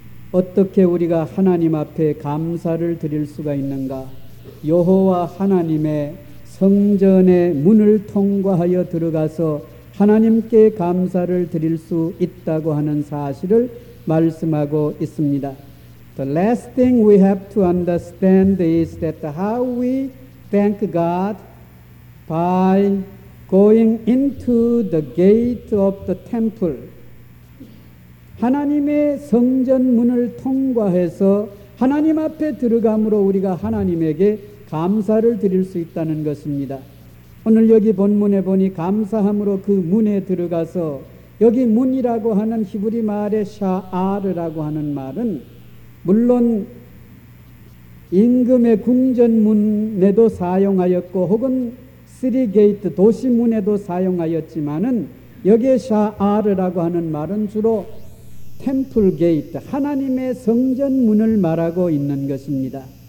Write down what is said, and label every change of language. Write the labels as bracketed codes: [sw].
[ko] 어떻게 우리가 하나님 앞에 감사를 드릴 수가 있는가? 여호와 하나님의 성전의 문을 통과하여 들어가서 하나님께 감사를 드릴 수 있다고 하는 사실을 말씀하고 있습니다. [en] The last thing we have to understand is that how we thank God by going into the gate of the temple. [ko] 하나님의 성전 문을 통과해서 하나님 앞에 들어감으로 우리가 하나님에게 감사를 드릴 수 있다는 것입니다. 오늘 여기 본문에 보니 감사함으로 그 문에 들어가서, 여기 문이라고 하는 히브리 말의 샤아르라고 하는 말은 물론 임금의 궁전문에도 사용하였고 혹은 시리게이트 도시문에도 사용하였지만은, 여기에 샤아르라고 하는 말은 주로 템플 게이트 하나님의 성전문을 말하고 있는 것입니다.